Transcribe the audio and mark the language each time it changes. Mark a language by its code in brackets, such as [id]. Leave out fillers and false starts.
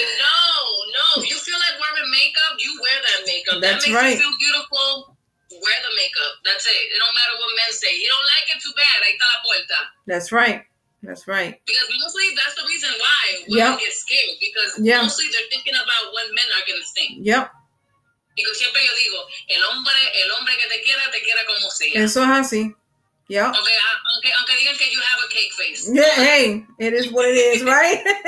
[en] No, no. You feel like wearing makeup, you wear that makeup. That's that makes right. you feel beautiful, wear the makeup. That's it. It don't matter what men say. You don't like it, too bad. [es] Ahí está la puerta. [en] That's right. That's right. Because mostly that's the reason why women get scared. Because mostly they're thinking about what men are going to think. Yep. [es] Digo, siempre yo digo, el hombre que te quiera como sea. Eso es así. Yeah. Aunque digan que [en] you have a cake face. Yeah, hey, it is what it is, right?